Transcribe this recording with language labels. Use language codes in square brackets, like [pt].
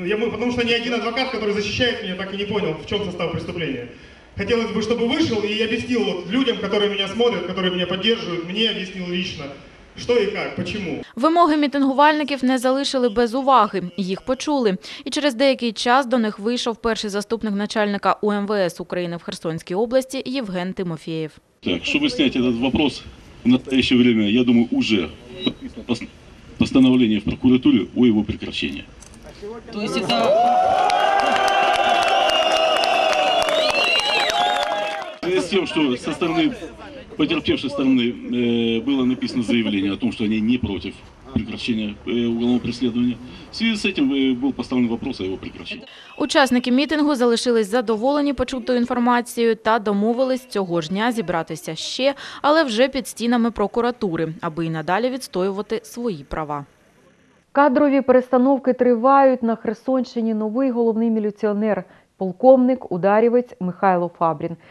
[ru] Потому что ни один адвокат, который защищает меня, так и не понял, в чем состав преступления. Хотелось бы, чтобы вышел и объяснил вот людям, которые меня смотрят, которые меня поддерживают, мне объяснил лично. [uk] Що і як? Чому? Вимоги мітингувальників не залишили без уваги. Їх почули. І через деякий час до них вийшов перший заступник начальника УМВС України в Херсонській області Євген Тимофєєв. Так, щоб зняти цей питання, в настоящее час, я думаю, вже підписано постановлення в прокуратурі о його прекращенні. Тобто, це... що зі сторони... [ru] потерпевшей стороны было написано заявление о том, что они не против прекращения уголовного преследования. В связи с этим был поставлен вопрос о его прекращении. [uk] Учасники митингу залишились задоволені почутою інформацією та домовились цього ж дня зібратися ще, але вже під стінами прокуратури, аби і надалі відстоювати свої права. Кадрові перестановки тривають. На Херсонщині новий головний міліціонер – полковник, ударівець Михайло Фабрін.